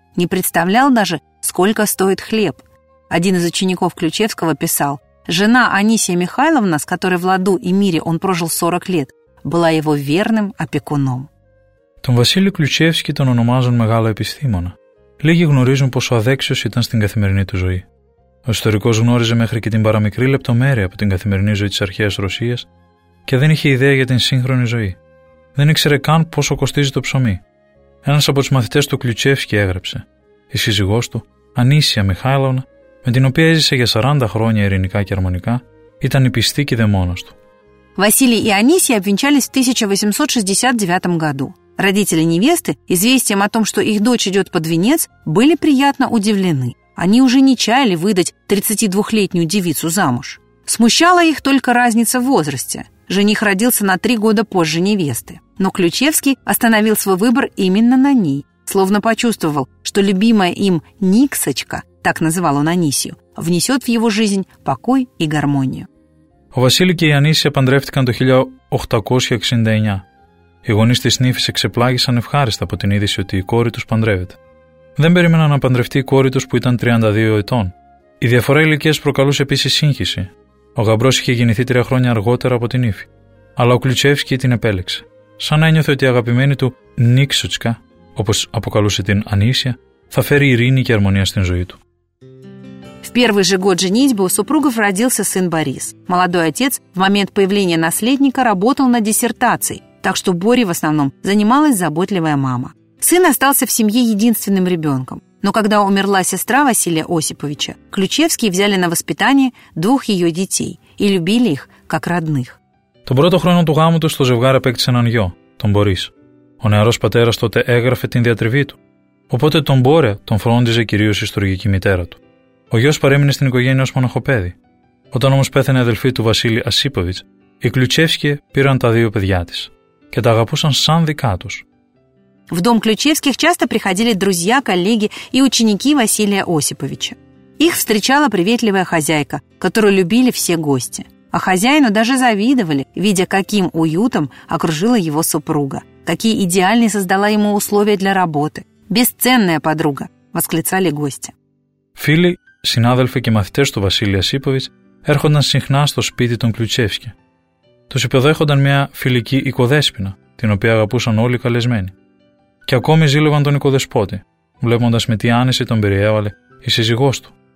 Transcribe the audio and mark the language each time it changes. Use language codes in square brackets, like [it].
[ru] Не представлял даже, сколько стоит хлеб. Один из учеников Ключевского писал: «Жена Анисия Михайловна, с которой в ладу и мире он прожил 40 лет, была его верным опекуном». [el] Τον Василий Ключевский τον ονομάζουν μεγάλο επιστήμονα. Λίγοι γνωρίζουν πόσο αδέξιος ήταν στην καθημερινή του ζωή. Ο ιστορικός γνώριζε μέχρι και την παραμικρή λεπτομέρεια από την καθημερινή ζωή της αρχαίας Ρωσίας και δεν είχε ιδέα για την σύγχρονη ζωή. Δεν ήξερε καν πόσο κοστίζει το ψωμί. Ένας από τους μαθητές του Κλουτσεύσκι έγραψε: «Η σύζυγός του, Ανίσια Μιχάηλωνα, με την οποία έζησε για 40 χρόνια ειρηνικά και αρμονικά, ήταν η πιστή και δαιμόνας του». [ru] Василий и Анисия обвенчались в 1869 году. Родители невесты, известием о том, что их дочь идет под венец, были приятно удивлены. Они уже не чаяли выдать 32-летнюю девицу замуж. Смущала их только разница в возрасте. Жених родился на 3 года позже невесты. Но Ключевский остановил свой выбор именно на ней, словно почувствовал, что любимая им Никсочка, так называл он Анисию, внесет в его жизнь покой и гармонию. [el] Ο Βασίλης και η Ανίσια παντρεύτηκαν το 1869. Οι γονείς της νύφης εξεπλάγησαν ευχάριστα από την είδηση ότι η κόρη τους παντρεύεται. Δεν περίμεναν να παντρευτεί η κόρη τους που ήταν 32 ετών. Η διαφορά ηλικίας προκαλούσε επίσης σύγχυση. Ο γαμπρός είχε γεννηθεί 3 χρόνια αργότερα από την νύφη. Αλλά ο Κλουτσεύσκι την επέλεξε. Σαν ένιωθε ότι η αγαπημένη του Νίξουτσκα, όπως αποκαλούσε την Ανίσια, θα φέρει ειρήνη και αρμονία στην ζωή του. [ru] Первый же год женитьбы у супругов родился сын Борис. Молодой отец в момент появления наследника работал на диссертации, так что Боре в основном занималась заботливая мама. Сын остался в семье единственным ребенком. Но когда умерла сестра Василия Осиповича, Ключевские взяли на воспитание 2 ее детей и любили их как родных. [el] Το πρώτο χρόνο του γάμου του στο ζευγάρι απέκτησε έναν γιο, τον Борис. Ο νεαρός πατέρας τότε έγραφε την διατριβή του. Οπότε τον Μπόρε τον φρόντιζε κυρίως η στουργική μητέρα του. Ο γιος παρέμεινε στην οικογένεια ως μοναχοπέδι. Όταν όμως πέθανε η αδελφή του Βασίλη Ασίποβιτς, οι Κλουτσεύσκοι πήραν τα 2 παιδιά της και τα αγαπούσαν σαν δικά τους. [ru] В дом Ключевских часто приходили друзья, коллеги и ученики Василия Осиповича. Их встречала приветливая хозяйка, которую любили все гости. А хозяину даже завидовали, видя, каким уютом окружила его супруга, какие идеальные создала ему условия для работы. Бесценная подруга, восклицали гости. [el] Φίλοι, συνάδελφοι και μαθητές του Βασίλη Ασίποβιτς έρχονταν συχνά στο σπίτι των Κλουτσεύσκι. Τους υποδέχονταν μια φιλική οικοδέσποινα, την οποία αγαπούσαν όλοι οι καλεσμένοι. Και ακόμη ζήλευαν τον οικοδεσπότη, βλέποντας με τι άνεση τον περιέβαλε η σύζυγός του.